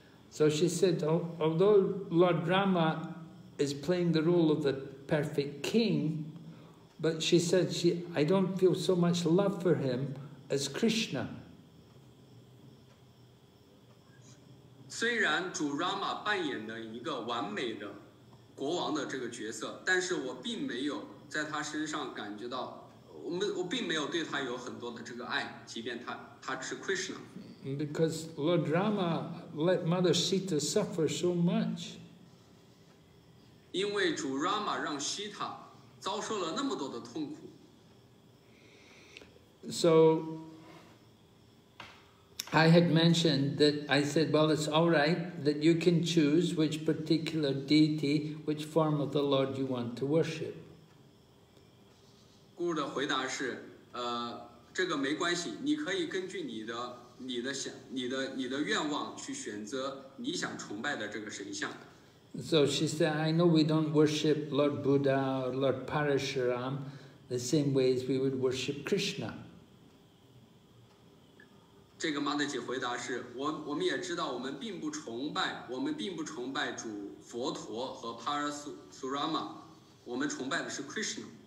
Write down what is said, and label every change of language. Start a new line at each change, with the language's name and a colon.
English: So she said, although Lord Rama is playing the role of the perfect king, but she said, I don't feel so much love for him as Krishna.
Chinese: 虽然主 Rama 扮演了一个完美的国王的这个角色，但是我并没有在他身上感觉到我并没有对他有很多的这个爱，即便他是 Krishna。
English: Because Lord Rama let Mother Sita suffer so much.
Chinese: 因为主 Rama 让 Sita 遭受了那么多的痛苦。
English: So I had mentioned that I said, well, it's all right that you can choose which particular deity, which form of the Lord you want to worship.
Chinese: 姑的回答是，这个没关系，你可以根据你的愿望去选择你想崇拜的这个神像。
English: So she said, I know we don't worship Lord Buddha or Lord Parashuram the same way as we would worship Krishna.
Chinese: 这个妈的姐回答是，我们也知道我们并不崇拜主佛陀和 Parasurama, 我们崇拜的是 Krishna.